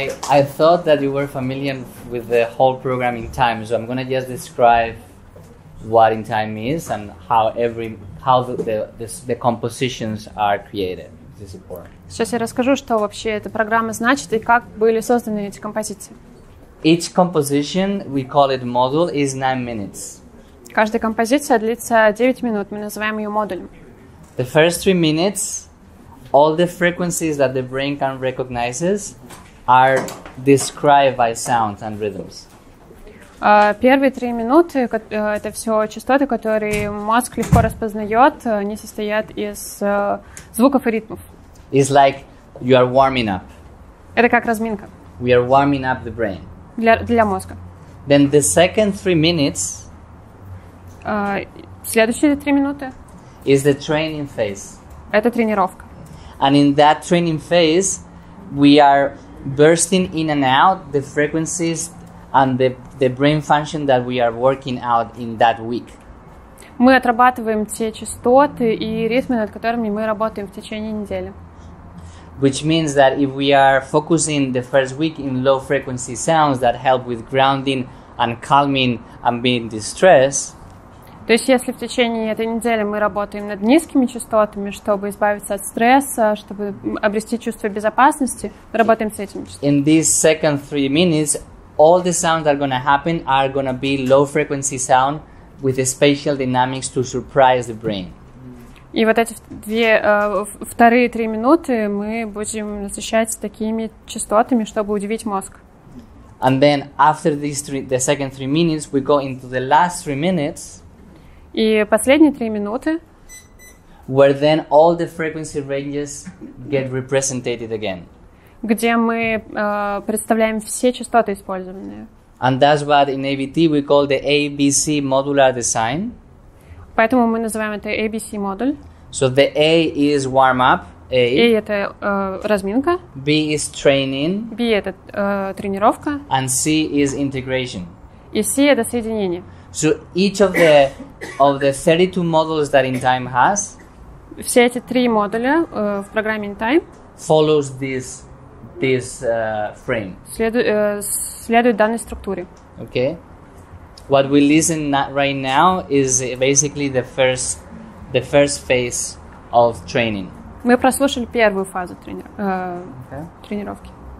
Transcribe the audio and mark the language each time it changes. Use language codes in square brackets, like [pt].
[en] I thought that you were familiar with the whole program in time, so I'm going to just describe what in time is and how the compositions are created. This is important. [ru] Сейчас я расскажу, что вообще эта программа значит и как были созданы эти композиции. [en] Each composition, we call it module, is 9 minutes. [ru] Каждая композиция длится 9 минут. Мы называем ее модулем. [en] The first 3 minutes, all the frequencies that the brain can recognizes are described by sounds and rhythms. [ru] Первые 3 минуты это все частоты, которые мозг легко распознает. Они состоят из звуков и ритмов. [en] It's like you are warming up. [ru] Это как разминка. [en] We are warming up the brain. [ru] Для мозга. [en] Then the second 3 minutes. [ru] Следующие 3 минуты. [en] Is the training phase. [ru] Это тренировка. [en] And in that training phase, we are bursting in and out the frequencies and the brain function that we are working out in that week. [ru] мы отрабатываем те частоты и ритмы, над которыми мы работаем в течение недели. [en] Which means that if we are focusing the first week in low frequency sounds that help with grounding and calming and being distressed. [ru] То есть если в течение этой недели мы работаем над низкими частотами, чтобы избавиться от стресса, чтобы обрести чувство безопасности, работаем с этими частотами. [en] In these second 3 minutes, all the sounds that are going to happen are going to be low frequency sound with a spatial dynamics to surprise the brain. [ru] И вот эти вторые 3 минуты мы будем насыщать такими частотами, чтобы удивить мозг. [en] And then after these the second 3 minutes, we go into the last 3 minutes. [ru] И последние 3 минуты. [en] Where then all the frequency ranges get represented again. [ru] Где мы представляем все частоты использованные. [en] And that's what in ABT we call the ABC modular design. [ru] Поэтому мы называем это ABC модуль. [en] So the A is warm up. [ru] A это разминка. [en] B is training. [ru] B это тренировка. [en] And C is integration. [ru] И C это соединение. [en] So each of the 32 modules that InTime has. [ru] Все эти 3 модуля в программе InTime. [en] Follows this frame. [ru] Следует данной структуре. [en] Okay. What we listen right now is basically the first phase of training. [ru] Мы прослушали первую фазу тренировки.